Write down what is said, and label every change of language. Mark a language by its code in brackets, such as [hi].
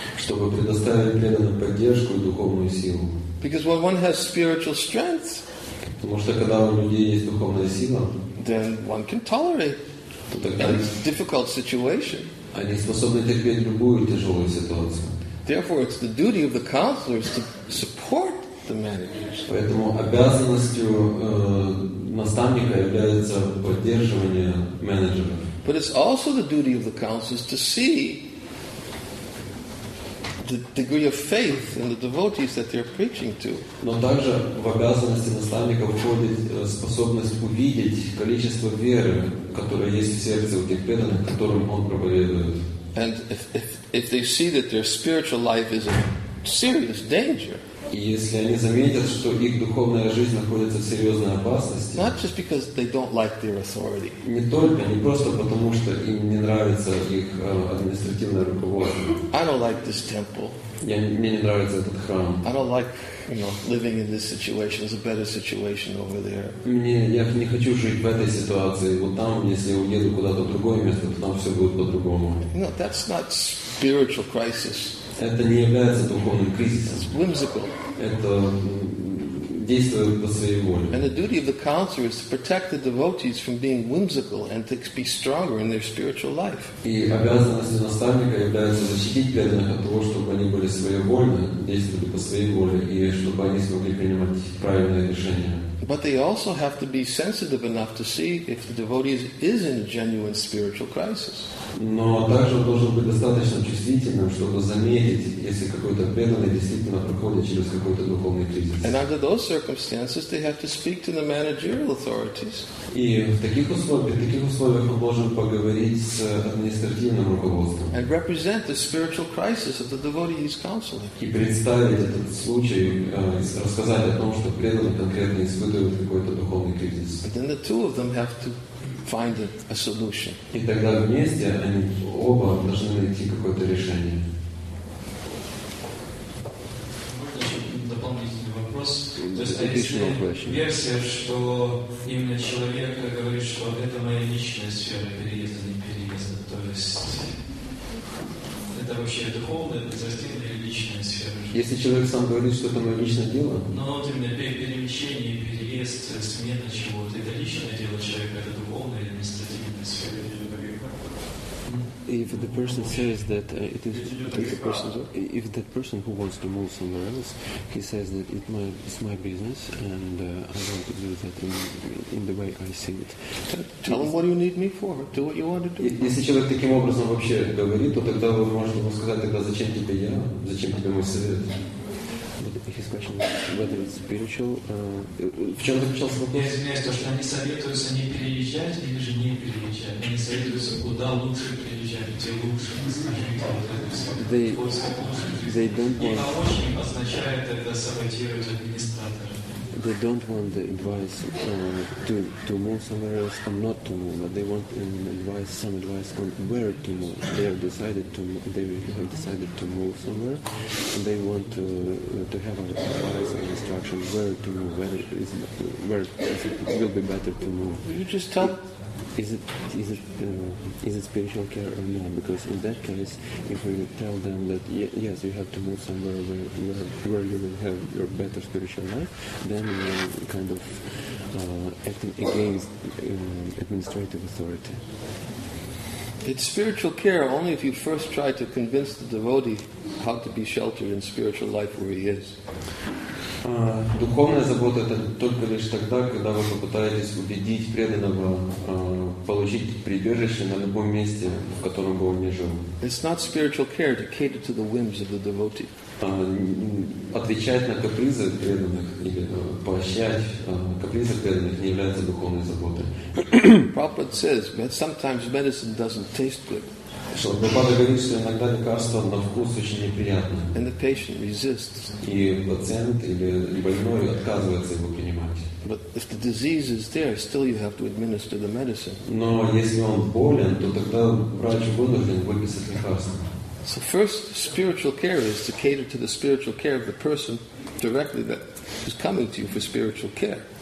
[ru] Чтобы предоставить преданным поддержку и духовную силу. [en] Because when one has spiritual strength, [ru] потому что когда у людей есть духовная сила, [en] then one can tolerate a difficult situation. [ru] Они способны терпеть любую тяжелую ситуацию. [en] Therefore, it's the duty of the counselors to support the managers. [ru] Поэтому обязанностью наставника является поддерживание менеджеров. [en] But it's also the duty of the counselors to see the degree of faith in the devotees that they're preaching to. [ru] Но также в обязанности наставника входит способность увидеть количество веры, которая есть в сердце у тех преданных, которым он проповедует. [en] And if they see that their spiritual life is in serious danger. [ru] И если они заметят, что их духовная жизнь находится в серьезной опасности. [en] Not just because they don't like their authority. [ru] Не только, не просто потому, что им не нравится. нравится их административное руководство. [en] I don't like this temple. [ru] Мне не нравится этот храм. [en] I don't like, you know, living in this situation. There's a better situation over there. [ru] Мне, я не хочу жить в этой ситуации. Вот там, если я уеду куда-то в другое место, то там все будет по-другому. [en] No, that's not spiritual crisis. [ru] Это не является духовным кризисом. [en] It's whimsical. [ru] Это действует по своей воле. [en] And the duty of the counselor is to protect the devotees from being whimsical and to be stronger in their spiritual life. [ru] И обязанностью наставника является защитить преданных от того, чтобы они были своевольны, действовали по своей воле, и чтобы они смогли принимать правильные решения. [en] But they also have to be sensitive enough to see if the devotee is in a genuine spiritual crisis. [ru] Но также должен быть достаточно чувствительным, чтобы заметить, если какой-то преданный действительно проходит через какой-то духовный кризис. [en] And under those circumstances, they have to speak to the managerial authorities. [ru] И в таких условиях он должен поговорить с административным руководством. [en] And represent the spiritual crisis of the devotee he's counseling. [ru] И представить этот случай, рассказать о том, что преданный конкретно испытывает какой-то духовный кризис. [en] But then the two of them have to find a solution. [ru] И тогда вместе они оба должны найти какое-то решение. Можно еще дополнительный вопрос? То есть, а если версия, что именно человек говорит, что это моя личная сфера переезда, не переезда, то есть это вообще духовная, подразделенная или личная сфера? Если человек сам говорит, что это мое личное дело? Ну, вот именно перемещение, переезд, смена чего-то, это личное дело человека, это духовное или административное сфера? [en] If the person says that it is if the person who wants to move somewhere else, he says that it's my business and I want to do that in the way I see it. Tell him what you need me for. Do what you want to do. [ru] Если человек таким образом вообще говорит, то тогда вы можете ему сказать, тогда зачем тебе я? Зачем тебе мой совет? [en] His question is whether it's spiritual. [ru] В чем заключался вопрос? Я извиняюсь, то, что они советуются не переезжать или же не переезжать. Они советуются, куда лучше переезжать, где лучше, скажите, вот это все. [en] They don't want... [ru] И помощник означает это саботировать администратора. [en] They don't want the advice to move somewhere else or not to move, but they want some advice on where to move. They have decided to move somewhere, and they want to have advice and instruction where to move, whether it will be better to move. You just tell. Is it spiritual care or not? Because in that case, if we tell them that yes, you have to move somewhere where you will have your better spiritual life, then we're kind of acting against administrative authority. It's spiritual care only if you first try to convince the devotee how to be sheltered in spiritual life where he is. [ru] Духовная забота — это только лишь тогда, когда вы попытаетесь убедить преданного получить прибежище на любом месте, в котором бы он ни жил. [en] It's not spiritual care to cater to the whims of the devotee. [ru] Отвечать на капризы преданных или поощрять капризы преданных не является духовной заботой. [en] Prabhupada says that sometimes medicine doesn't taste good. [ru] Шалбапада говорит, что иногда лекарство на вкус очень неприятно. [en] And the patient resists. [ru] И пациент или больной отказывается его принимать. [en] But if the disease is there, still you have to administer the medicine. [ru] Но если он болен, то тогда врач вынужден выписать лекарство. [en] So first, spiritual care is to cater to the spiritual care of the person directly that is coming to you for spiritual care.